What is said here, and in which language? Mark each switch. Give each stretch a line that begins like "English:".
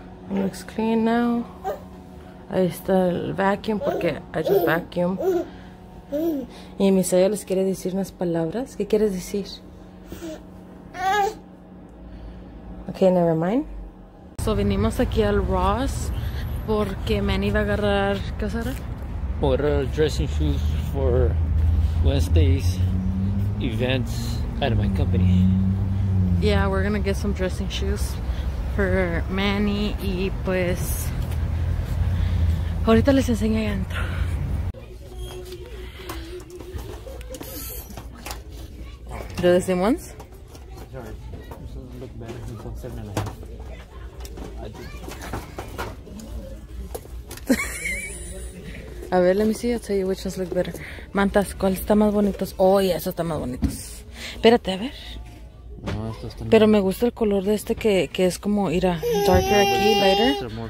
English: Looks clean now.
Spanish: Ahí está el vacuum porque
English: I just vacuum.
Spanish: Y Misaya les quiere decir unas palabras. ¿Qué quieres decir?
English: Okay, never mind.
Spanish: So vinimos aquí al Ross porque Manny va a agarrar, ¿qué será?
English: Por dressing shoes for Wednesday's events at my company. Yeah, we're gonna get some dressing shoes for Manny
Spanish: y pues ahorita les enseño ahí adentro.
English: Do the same ones?
Spanish: A ver,
English: let me see, I'll tell you which ones look better.
Spanish: Mantas, ¿cuál está más bonitos?
English: Oh, yeah,
Spanish: esos están más bonitos. Espérate, a ver. No, estos están. Pero me gusta el color de este que es como ir a darker aquí, lighter.